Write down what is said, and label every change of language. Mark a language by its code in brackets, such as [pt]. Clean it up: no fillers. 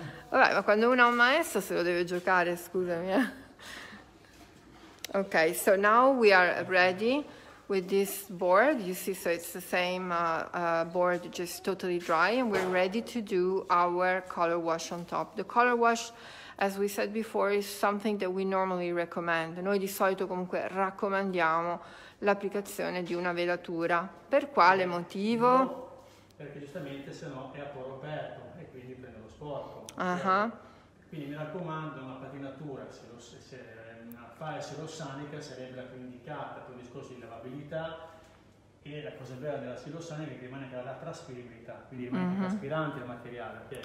[it] Vabbè, ma quando uno ha un maestro se lo deve giocare, scusami. [en] Ok, so now we are ready. With this board, you see, so it's the same board, just totally dry, and we're ready to do our color wash on top. The color wash as we said before, is something that we normally recommend. [it] Noi di solito comunque raccomandiamo l'applicazione di una velatura. Per quale motivo? Perché giustamente se no è a poro aperto e quindi prende lo sporco. Quindi mi raccomando, una patinatura, se una falce silossanica sarebbe la più indicata per un discorso di lavabilità, e la cosa bella della silossanica è che rimane anche la trasferibilità, quindi rimane traspirante il materiale.